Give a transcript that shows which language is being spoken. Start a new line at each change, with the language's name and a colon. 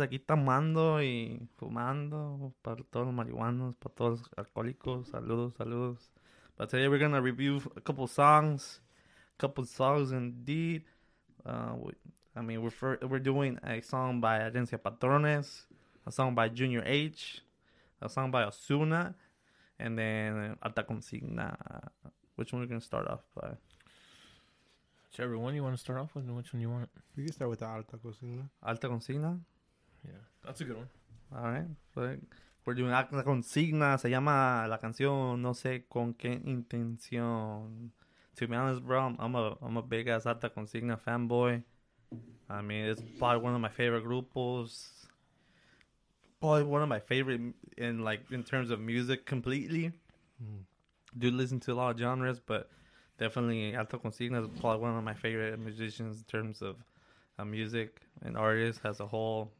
Spanish: Aquí tomando y fumando para todos los marihuanos, para todos los alcohólicos. Saludos, saludos.
English: But today we're going to review a couple songs. A couple songs, indeed. We're doing a song by Agencia Patrones, a song by Junior H, a song by Ozuna, and then Alta Consigna. Which one are we going to start off by? Whichever one you want to start off with, and which one you want. We can start with the Alta Consigna. Alta Consigna? Yeah, that's a good one. All right. So we're doing Alta Consigna.
Spanish: Se llama la canción No Sé Con Qué Intención.
English: To be honest, bro, I'm a big-ass Alta Consigna fanboy. I mean, it's probably one of my favorite grupos. Probably one of my favorite in terms of music completely. Do listen to a lot of genres, but definitely Alta Consigna is probably one of my favorite musicians in terms of music and artists as a whole.